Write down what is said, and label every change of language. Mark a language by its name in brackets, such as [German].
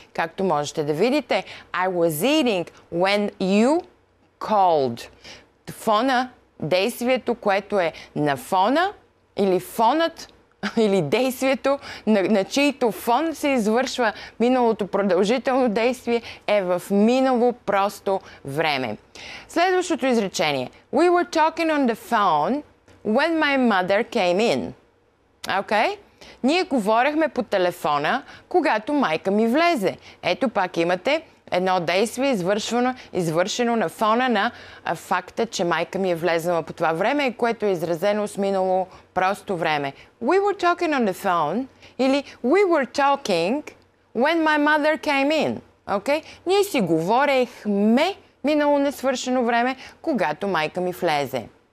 [Bulgarian] Както можете да видите, [English] I was eating when you called. [Bulgarian] Фона, действието, което е на фона, или фонът, или действието, на чийто фон се извършва миналото продължително действие, е в минало просто време. Следващото изречение. [English] We were talking on the phone when my mother came in. Okay? [Bulgarian] Ние говорехме по телефона, когато майка ми влезе. Ето пак имате едно действие, извършено на фона на факта, че майка ми е влезнала по това време, което е изразено с минало просто време. [English] We were talking on the phone, [Bulgarian] или [English] we were talking when my mother came in. Okay? [Bulgarian] Ние си говорехме минало несвършено време, когато майка ми влезе.